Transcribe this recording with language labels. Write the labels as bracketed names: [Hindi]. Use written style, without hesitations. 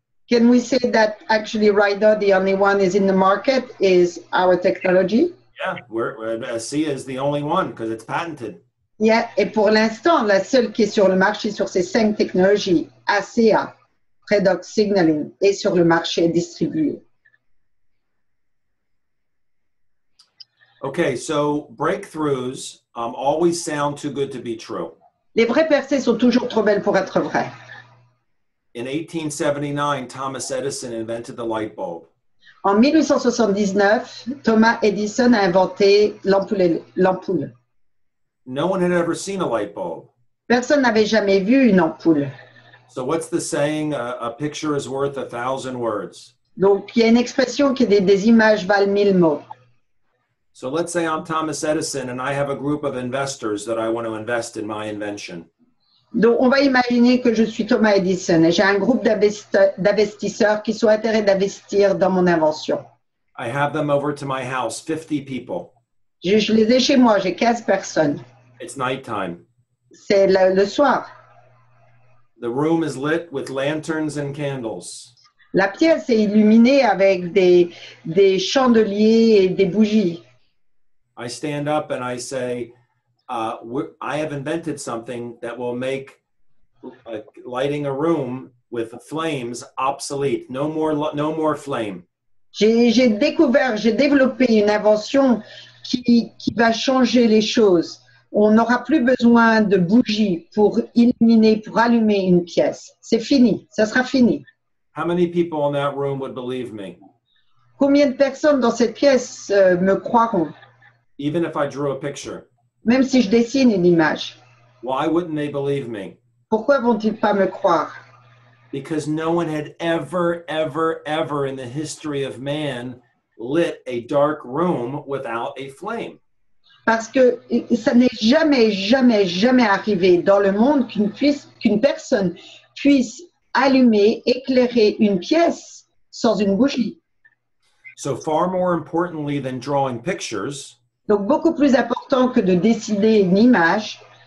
[English] Can we say that actually right now the only one is in the market is our technology? Yeah, ASEA is the only one because it's patented. [French] Yeah, et pour l'instant, la seule qui est sur le marché sur ces cinq technologies, ASEA, Redox Signaling, est sur le marché et distribuée. [English] Okay, so breakthroughs always sound too good to be true. [French] Les vraies percées sont toujours trop belles pour être vraies. [English] In 1879, Thomas Edison invented the light bulb. [French] En 1879, Thomas Edison a inventé l'ampoule. [English] No one had ever seen a light bulb. [French] Personne n'avait jamais vu une ampoule. [English] So what's the saying, a picture is worth a thousand words? [French] Donc, il y a une expression qui dit des images valent mille mots. [English] So let's say I'm Thomas Edison and I have a group of investors that I want to invest in my invention. [French] Donc, on va imaginer que je suis Thomas Edison et j'ai un groupe d'investisseurs qui sont intéressés d'investir dans mon invention. [English] I have them over to my house, 50 people. [French] Je les ai chez moi, j'ai 15 personnes. [English] It's nighttime. [French] C'est le soir. [English] The room is lit with lanterns and candles. [French] La pièce est illuminée avec des chandeliers et des bougies. [English] I stand up and I say, I have invented something that will make lighting a room with flames obsolete. No more flame. [French] J'ai découvert, j'ai développé une invention qui va changer les choses. On n'aura plus besoin de bougies pour illuminer, pour allumer une pièce. C'est fini, ça sera fini. [English] How many people in that room would believe me? [French] Combien de personnes dans cette pièce me croiront? [English] Even if I drew a picture. [French] Même si je dessine une image. [English] Why wouldn't they believe me? [French] Pourquoi vont-ils pas me croire? [English] Because no one had ever, ever, ever in the history of man lit a dark room without a flame. [French] Parce que ça n'est jamais, jamais, jamais arrivé dans le monde qu'une personne puisse allumer, éclairer une pièce sans une bougie. [English] So far more importantly than drawing pictures. [French] Donc beaucoup plus important que de dessiner une image.